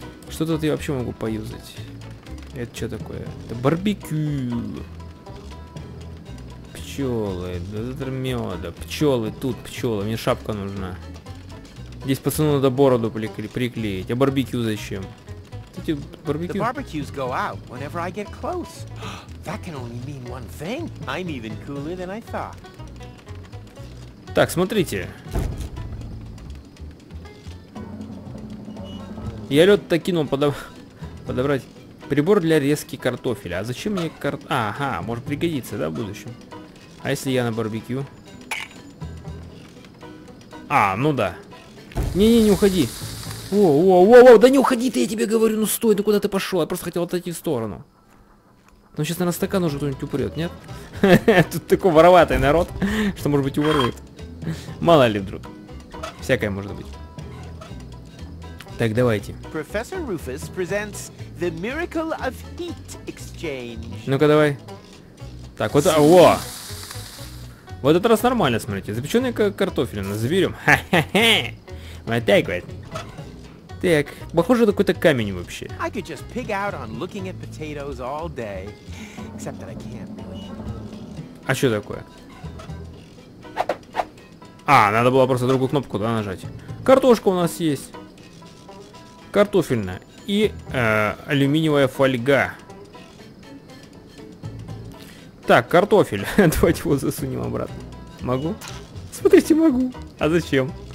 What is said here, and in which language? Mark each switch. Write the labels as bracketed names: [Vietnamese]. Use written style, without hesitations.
[Russian] Что тут я вообще могу поюзать? Это что такое? Это барбекю. Пчелы, меда. Пчелы, тут пчелы, мне шапка нужна. Здесь пацану надо бороду приклеить. А барбекю зачем? Эти барбекю. [English] The barbecues go out whenever I get close. That can only mean one thing. I'm even cooler than I thought. [Russian] Так, смотрите. Я лед-то кинул подобрать. Прибор для резки картофеля. А зачем мне картофель? Ага, может пригодиться, да, в будущем? А если я на барбекю? А, ну да. Не-не-не, уходи. Воу-воу-воу-воу, да не уходи ты, я тебе говорю. Ну стой, ну куда ты пошел? Я просто хотел отойти в сторону. Ну сейчас, наверное, стакан уже кто-нибудь упрет, нет? Тут такой вороватый народ, что, может быть, уворует. Мало ли вдруг. Всякое может быть. Так, давайте. [English] Профессор Руфус presents the miracle of heat exchange. [Russian] Ну-ка, давай. Так, вот... Во! В этот раз нормально, смотрите. Запеченный картофель на зверем. Ха-ха-ха! Вот так вот. Так, похоже, это какой-то камень вообще. [English] I could just pig out on looking at potatoes all day. Except that I can't really. [Russian] А что такое? А, надо было просто другую кнопку, да, нажать. Картошка у нас есть. Картофельная. И алюминиевая фольга. Так, картофель. Давайте его засунем обратно. Могу? Смотрите, могу. А зачем?